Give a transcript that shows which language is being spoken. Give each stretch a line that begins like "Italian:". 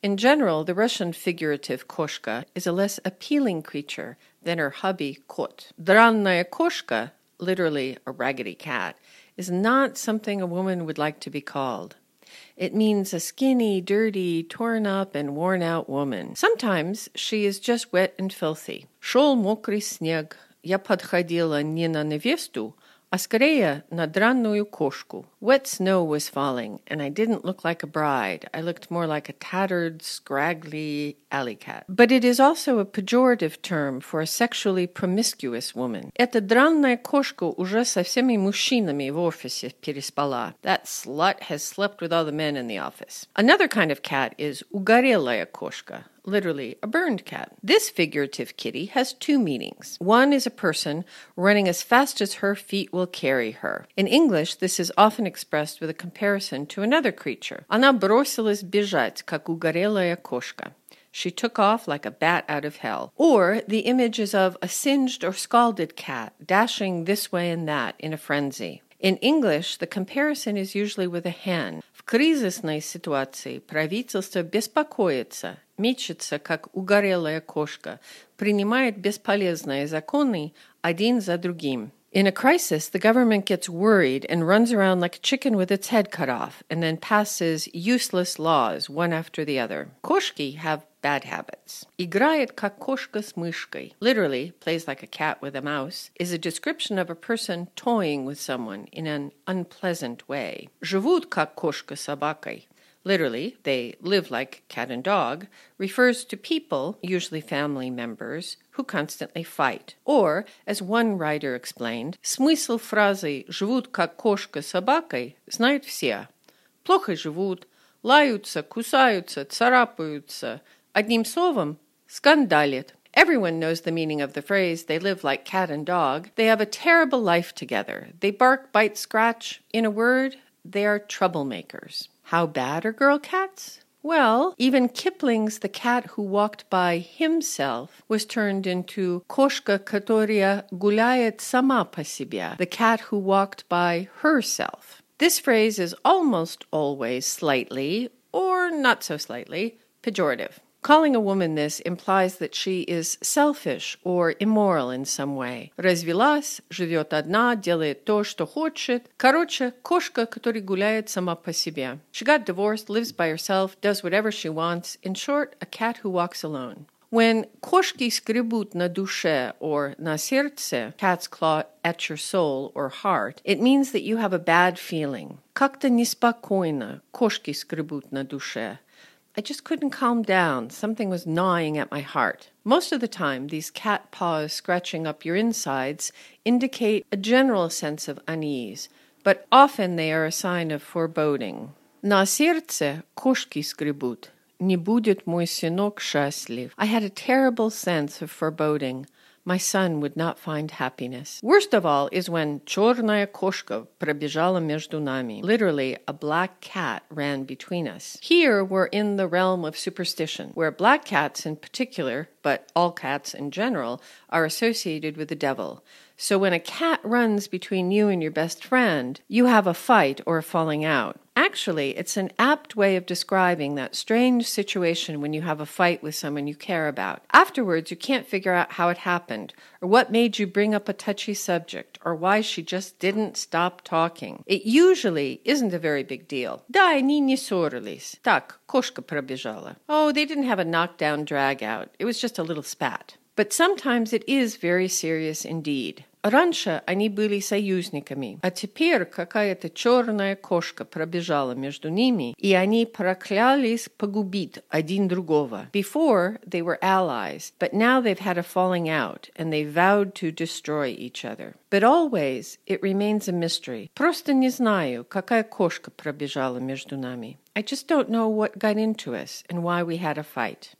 English: In general, the Russian figurative koshka is a less appealing creature than her hubby kot.
Russian: Дранная кошка,
English: literally a raggedy cat, is not something a woman would like to be called. It means a skinny, dirty, torn up, and worn out woman. Sometimes she is just wet and filthy.
Russian: Шёл мокрый снег, я подходила не на невесту, а скорее на дранную кошку.
English: Wet snow was falling, and I didn't look like a bride. I looked more like a tattered, scraggly alley cat. But it is also a pejorative term for a sexually promiscuous woman.
Russian: Эта дранная кошка уже со всеми мужчинами в офисе переспала.
English: That slut has slept with all the men in the office. Another kind of cat is
Russian: угорелая кошка,
English: literally a burned cat. This figurative kitty has two meanings. One is a person running as fast as her feet will carry her. In English, this is often expressed with a comparison to another creature.
Russian: Она бросилась бежать, как угорелая кошка.
English: She took off like a bat out of hell. Or the images of a singed or scalded cat dashing this way and that in a frenzy. In English, the comparison is usually with a hen.
Russian: В кризисной ситуации правительство беспокоится, мечется, как угорелая кошка, принимает бесполезные законы один за другим.
English: In a crisis, the government gets worried and runs around like a chicken with its head cut off, and then passes useless laws one after the other. Кошки have bad habits.
Russian: Играет как кошка с мышкой.
English: Literally, plays like a cat with a mouse, is a description of a person toying with someone in an unpleasant way.
Russian: Живут как кошка с собакой.
English: Literally, they live like cat and dog, refers to people, usually family members, who constantly fight. Or, as one writer explained,
Russian: смысл фразы «живут как кошка с собакой» знают все. Плохо живут, лаются, кусаются, царапаются. Одним словом, скандалят.
English: Everyone knows the meaning of the phrase, they live like cat and dog. They have a terrible life together. They bark, bite, scratch. In a word, they are troublemakers. How bad are girl cats? Well, even Kipling's The Cat Who Walked By Himself was turned into
Russian: Кошка, которая гуляет сама по себе,
English: the cat who walked by herself. This phrase is almost always slightly, or not so slightly, pejorative. Calling a woman this implies that she is selfish or immoral in some way.
Russian: Развелась, живет одна, делает то, что хочет. Короче, кошка, которая гуляет сама по себе.
English: She got divorced, lives by herself, does whatever she wants. In short, a cat who walks alone. When
Russian: кошки скребут на душе
English: or
Russian: на сердце,
English: cat's claw at your soul or heart, it means that you have a bad feeling.
Russian: Как-то неспокойно кошки скребут на душе.
English: I just couldn't calm down. Something was gnawing at my heart. Most of the time, these cat paws scratching up your insides indicate a general sense of unease, but often they are a sign of foreboding.
Russian: На сердце кошки скребут. Не будет мой сынок счастлив.
English: I had a terrible sense of foreboding. My son would not find happiness. Worst of all is when
Russian: чёрная кошка пробежала между нами.
English: Literally, a black cat ran between us. Here, we're in the realm of superstition, where black cats in particular, but all cats in general, are associated with the devil. So when a cat runs between you and your best friend, you have a fight or a falling out. Actually, it's an apt way of describing that strange situation when you have a fight with someone you care about. Afterwards, you can't figure out how it happened, or what made you bring up a touchy subject, or why she just didn't stop talking. It usually isn't a very big deal.
Russian: Да, они не ссорились. Так, кошка пробежала.
English: Oh, they didn't have a knockdown drag out. It was just a little spat. But sometimes it is very serious indeed.
Russian: Раньше они были союзниками, а теперь какая-то черная кошка пробежала между ними, и они проклялись погубить один другого.
English: Before, they were allies, but now they've had a falling out, and they vowed to destroy each other. But always, it remains a mystery.
Russian: Просто не знаю, какая кошка пробежала между нами.
English: I just don't know what got into us and why we had a fight.